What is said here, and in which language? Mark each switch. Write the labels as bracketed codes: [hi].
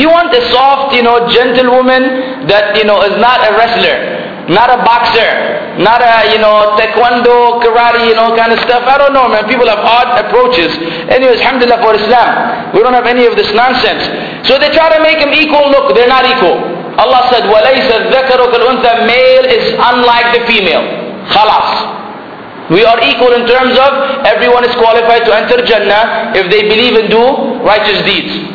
[en] You want a soft, you know, gentle woman that, you know, is not a wrestler. Not a boxer, not a, you know, taekwondo, karate, you know, kind of stuff. I don't know, man. People have odd approaches. Anyways, alhamdulillah for Islam. We don't have any of this nonsense. So they try to make them equal. Look, they're not equal. Allah said, [ar] وَلَيْسَ الذَّكَرُ كَالْأُنْثَى. [en] Male is unlike the female. [ar] خَلَاص. [en] We are equal in terms of everyone is qualified to enter Jannah if they believe and do righteous deeds.